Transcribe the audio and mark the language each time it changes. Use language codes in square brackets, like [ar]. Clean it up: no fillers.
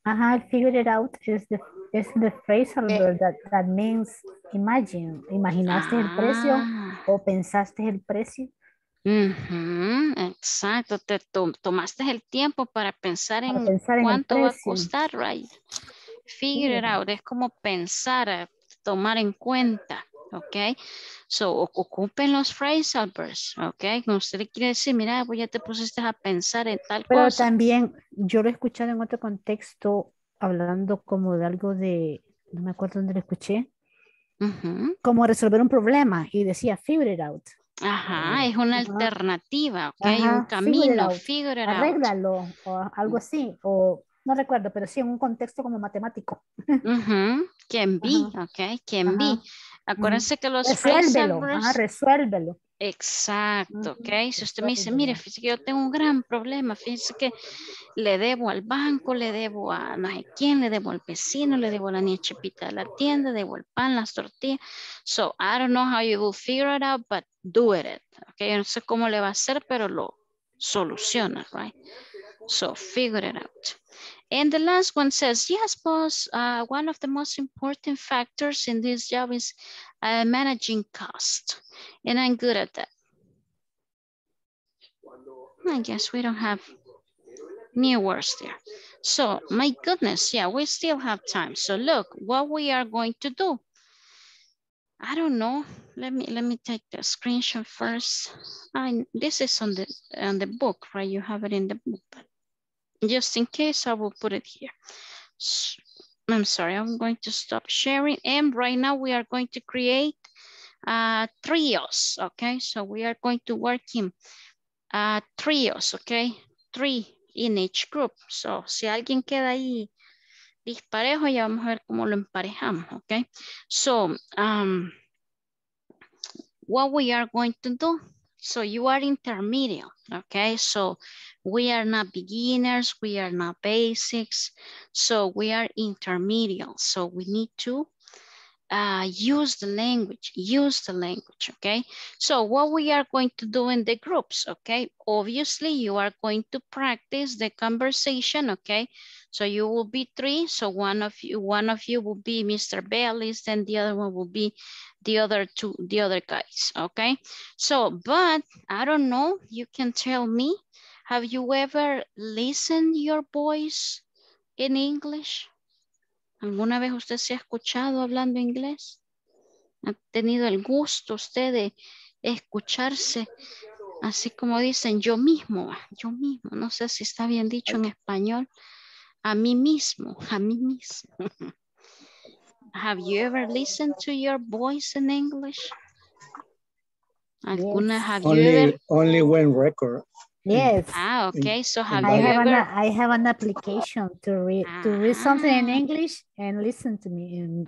[en] Uh-huh, figured it out is the phrasal verb that means imagine. [es] ¿Imaginaste el precio? ¿O pensaste el precio? Exacto, te tomaste el tiempo para pensar en cuánto va a costar, right? [en] Figure it out, [es] es como pensar, tomar en cuenta, ok? So, ocupen los phrasal verbs, ok? Usted quiere decir, mira, pues ya te pusiste a pensar en tal pero cosa. Pero también, yo lo he escuchado en otro contexto, hablando como de algo de, no me acuerdo dónde lo escuché, como resolver un problema, y decía, [en] figure it out. [es] Ajá, es una alternativa, ok? Ajá, un camino, [en] figure it out. [es] Arréglalo, o algo así, o... No recuerdo, pero sí en un contexto como matemático. [en] Can be, ok, can be. [es] Acuérdense que los resuélvelo, phrasal verbs... resuélvelo. Exacto, ok. Si usted me dice, mire, fíjese que yo tengo un gran problema, fíjese que le debo al banco, le debo a no sé quién, le debo al vecino, le debo a la niña chipita de la tienda, debo el pan, las tortillas. [en] So, I don't know how you will figure it out, but do it, ok. [es] Yo no sé cómo le va a hacer, pero lo soluciona, right? [en] So, figure it out. And the last one says, yes, boss, one of the most important factors in this job is managing cost. And I'm good at that. I guess we don't have new words there. So, my goodness, yeah, we still have time. So, look, what we are going to do. I don't know. Let me take the screenshot first. This is on the book, right? You have it in the book. Just in case, I will put it here. I'm sorry, I'm going to stop sharing. And right now we are going to create trios, okay? So we are going to work in trios, okay? Three in each group. [es] So si alguien queda ahí disparejo, ya vamos a ver cómo lo emparejamos, okay? [en] So what we are going to do, so you are intermediate, okay? So we are not beginners, we are not basics, so we are intermediate. So we need to use the language, okay? So what we are going to do in the groups, okay? Obviously, you are going to practice the conversation, okay? So you will be three, so one of you will be Mr. Bellis, then the other one will be the other guys, okay? So, but I don't know, you can tell me, have you ever listened your voice in English? [es] ¿Alguna vez usted se ha escuchado hablando inglés? ¿Ha tenido el gusto usted de escucharse? Así como dicen, yo mismo, no sé si está bien dicho en español, a mí mismo. [en] Have you ever listened to your voice in English? ¿Alguna, have only, you ever? Only when record. Yes. Ah, okay. So have you ever? I have an application to read something in English and listen to me.